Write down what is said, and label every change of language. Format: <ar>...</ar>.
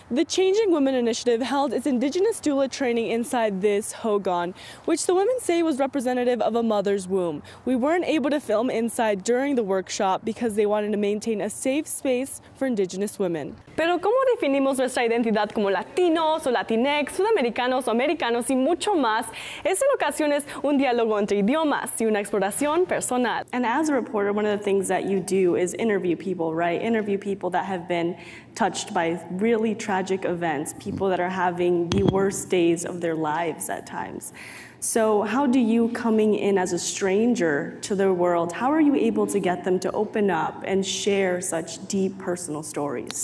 <en>The Changing Women Initiative held its indigenous doula training inside this hogan, which the women say was representative of a mother's womb. We weren't able to film inside during the workshop because they wanted to maintain a safe space for indigenous women.</en> <es>Pero ¿cómo definimos nuestra identidad como latinos o latinex, sudamericanos o americanos y mucho más? Esta ocasión es un diálogo entre idiomas y una exploración personal.</es> <en>And as a reporter, one of the things that you do is interview people, right? Interview people that have been touched by really tragic events, people that are having the worst days of their lives at times. So how do you, coming in as a stranger to the world, how are you able to get them to open up and share such deep personal stories?</en>